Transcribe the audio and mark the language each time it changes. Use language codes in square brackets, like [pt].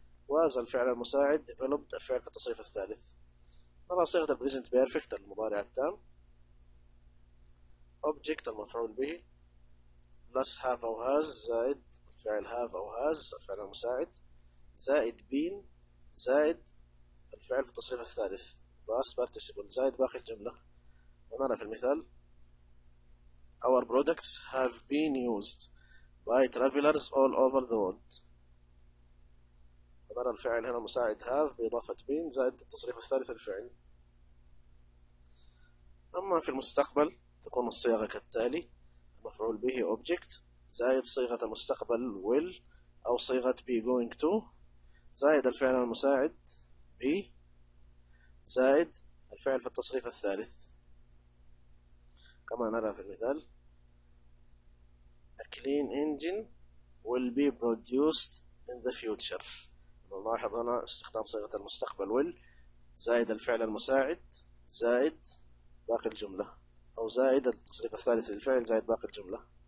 [ar] was الفعل المساعد developed الفعل في التصريف الثالث. نرى صيغة [en] present perfect [ar] المضارع التام object المفعول به [en] plus have or has [ar] زائد الفعل [en] have or has [ar] الفعل المساعد زائد been زائد الفعل في التصريف الثالث [en] past participle [ar] زائد باقي الجملة. ونرى في المثال: [en] Our products have been used by travelers all over the world. [ar] ونرى الفعل هنا مساعد have بإضافة been زائد التصريف الثالث للفعل. أما في المستقبل تكون الصيغة كالتالي: المفعول به object زائد صيغة المستقبل will أو صيغة [en] be going to [ar] زائد الفعل المساعد be زائد الفعل في التصريف الثالث كما نرى في المثال [en] A clean engine will be produced in the future [ar] نلاحظ هنا استخدام صيغة المستقبل will زائد الفعل المساعد زائد باقي الجملة أو زائد التصريف الثالث للفعل زائد باقي الجملة